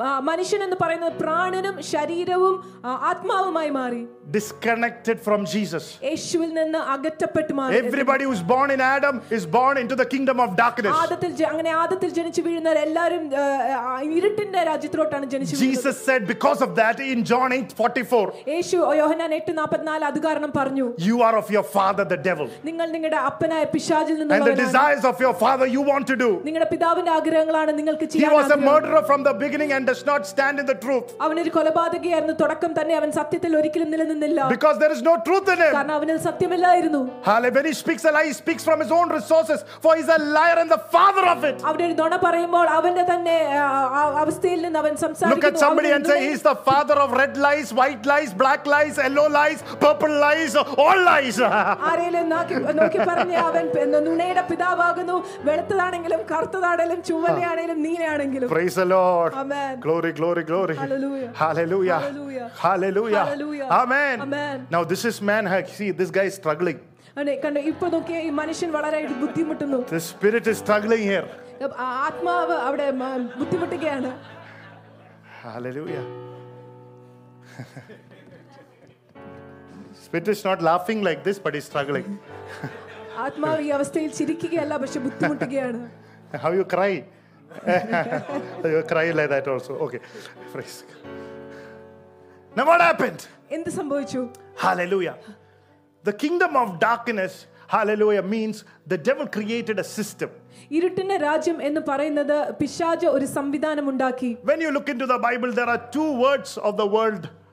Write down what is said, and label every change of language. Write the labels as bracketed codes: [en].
[ml] മനുഷ്യൻ എന്ന് പറയുന്നത് പ്രാണനും ശരീരവും ആത്മാവുമായി മാറി. [en] Disconnected from Jesus. [ml] യേശുവിൽ നിന്ന് അകറ്റപ്പെട്ടു മാറി. [en] Everybody who is born in Adam is born into the kingdom of darkness. [ml] ആദത്തിൽ അങ്ങനെ ആദത്തിൽ ജനിച്ചു വീഴുന്ന എല്ലാവരും ഇരുട്ടിന്റെ രാജ്യത്തിലോട്ടാണ് ജനിച്ചു വീഴുന്നത്. [en] Jesus said because of that in John 8:44. [ml] യേശു യോഹന്നാൻ 8:44 അത് കാരണം പറഞ്ഞു. [en] You are of your father the devil. [ml] നിങ്ങൾ നിങ്ങളുടെ അപ്പനായ പിശാചിൽ നിന്നുള്ളവരാണ്. [en] And the desires of your father you want to do. [ml] നിങ്ങളുടെ പിതാവിന്റെ ആഗ്രഹങ്ങളാണ് നിങ്ങൾക്ക് ചെയ്യാൻ ആഗ്രഹം. [en] He was a murderer from the beginning and does not stand in the truth. [ml] അവനെ കൊലപാതകിയായിരുന്നു തുടക്കം തന്നെ അവൻ സത്യത്തിൽ ഒരിക്കലും നിലനിന്നില്ല. [en] Because there is no truth in him. [ml] കാരണം അവനിൽ സത്യമില്ലായിരുന്നു. Hallelujah. [en] When he speaks a lie, he speaks from his own resources, for he is a liar and the father of it. [ml] അവൻ നുണ പറയുമ്പോൾ അവന്റെ തന്നെ അവസ്ഥയിൽ നിന്ന് അവൻ സംസാരിക്കുന്നു. [en] Look at somebody and say he is the father of red lies, white lies, black lies, yellow lies, purple lies, all lies. [ml] ആരെയെ നോക്കി പറഞ്ഞു അവൻ നുണയുടെ പിതാവാകുന്നു വെളുത്തതാണെങ്കിലും കറുത്തതാണെങ്കിലും ചുവന്നയാണെങ്കിലും നീലയാണെങ്കിലും. [en] Praise the Lord. Amen. Glory, glory, glory. Hallelujah. Hallelujah. Hallelujah. Hallelujah. Hallelujah. Amen. Amen. Now this is man. See, this guy is struggling. [ml] അനെ കണ്ട ഇപ്പോ നോക്കിയ ഈ മനുഷ്യൻ വളരെ ബുദ്ധിമുട്ടുന്നു. [en] The spirit is struggling here. [ml] ആത്മാവ് അവിടെ ബുദ്ധിമുട്ടുകയാണ്. Hallelujah. [en] Spirit is not laughing like this, but he's struggling. [ml] ആത്മാവ് ഈ അവസ്ഥയിൽ ചിരിക്കുകയല്ല പക്ഷെ ബുദ്ധിമുട്ടുകയാണ്. [en] How you cry? You cry like that also. Okay. Praise God. Now what happened? [ml] എന്ത് സംഭവിച്ചു? Hallelujah. [en] The kingdom of darkness, hallelujah, means the devil created a system. [ml] ഇരുട്ടിന്റെ രാജ്യം എന്ന് പറയുന്നത് പിശാച് ഒരു സംവിധാനം ഉണ്ടാക്കി. [en] When you look into the Bible, there are two words of the world.